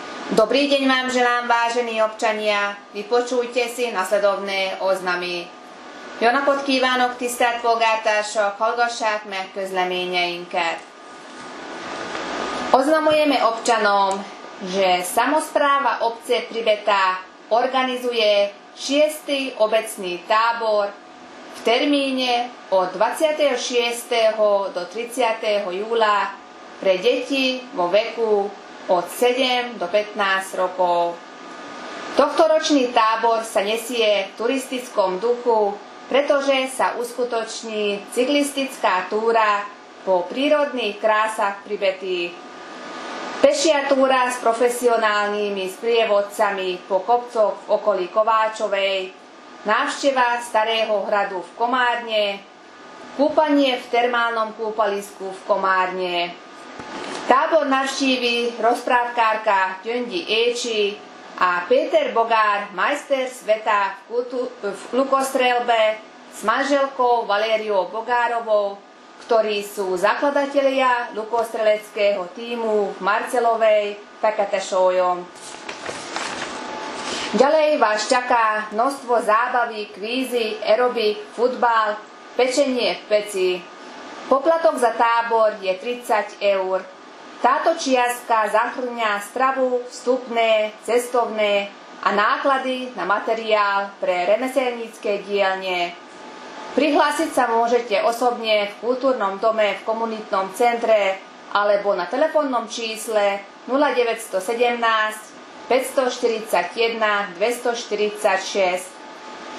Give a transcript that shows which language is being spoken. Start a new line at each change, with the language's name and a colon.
Slovak: Dobrý deň vám želám, vážení občania. Vypočujte si nasledovné oznamy.
Hungarian: Jó napot kívánok, tisztelt polgártársak, hallgassák meg közleményeinket.
Slovak: Oznamujeme občanom, že samospráva obce Pribeta organizuje 6. obecný tábor v termíne od 26. do 30. júla pre deti vo veku od 7 do 15 rokov. Tohtoročný tábor sa nesie v turistickom duchu, pretože sa uskutoční cyklistická túra po prírodných krásach Pribety. Pešia túra s profesionálnymi sprievodcami po kopcoch v okolí Kováčovej, návšteva starého hradu v Komárne, kúpanie v termálnom kúpalisku v Komárne. Tábor navštívi rozprávkárka Gyöngyi Écsi a Péter Bogár, majster sveta v lukostrelbe s manželkou Valériou Bogárovou, ktorí sú zakladatelia lukostreleckého tímu v Marcelovej Takatešojom. Ďalej vás čaká množstvo zábavy, kvízy, aerobik, futbal, pečenie v peci. Poplatok za tábor je 30 eur. Táto čiastka zahŕňa stravu, vstupné, cestovné a náklady na materiál pre remeselnícke dielne. Prihlásiť sa môžete osobne v kultúrnom dome v komunitnom centre alebo na telefónnom čísle 0917 541 246.